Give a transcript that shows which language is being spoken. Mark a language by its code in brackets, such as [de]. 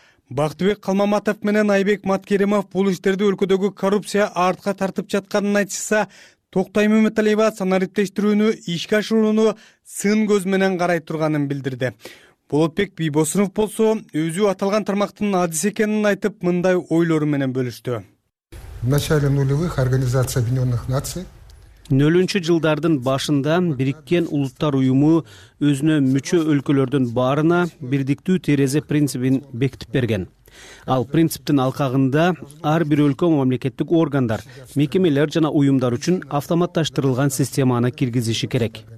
[ky] Бактыбек Калмаматов менен Айбек Маткеримов бул иштерди өлкөдөгү коррупция артка тартып жатканын айтышса, Токтайым Үмөталиева санариптештирүүнү ишке ашырууну сын көз менен карай турганын билдирди. Болотбек Бийбосунов болсо өзү аталган тармактын адис экенин айтып, мындай ойлору менен бөлүштү. [ru] В начале нулевых Организация Объединенных Наций. [ky] Нөлүнчү жылдардын башында Бириккен Улуттар Уюму өзүнө мүчө өлкөлөрдүн баарына бирдиктүү терезе принцибин бекитип берген. Ал принциптин алкагында ар бир өлкө мамлекеттик органдар, мекемелер жана уюмдар үчүн автоматташтырылган системаны киргизиши керек.